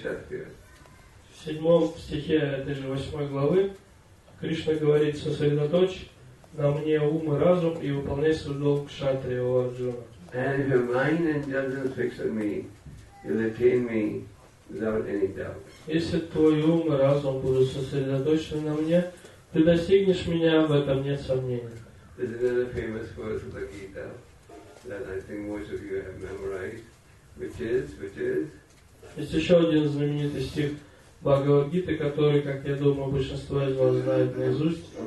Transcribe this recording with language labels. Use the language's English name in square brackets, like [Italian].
[Russian] В 7 стихе этой же 8 главы Кришна говорит, сосредоточь на мне ум и разум и выполняй свой долг кшатрия, о Арджуна. [English] And if your mind and judgment fix on me, you'll attain me without any doubt. [Russian] Если твой ум и разум будут сосредоточены на мне, ты достигнешь меня, в этом нет сомнений. [English] There's another famous verse of the Gita that I think most of you have memorized, which is? [Russian] Есть еще один знаменитый стих Бхагавад-гиты, который, как я думаю, большинство из вас знает наизусть.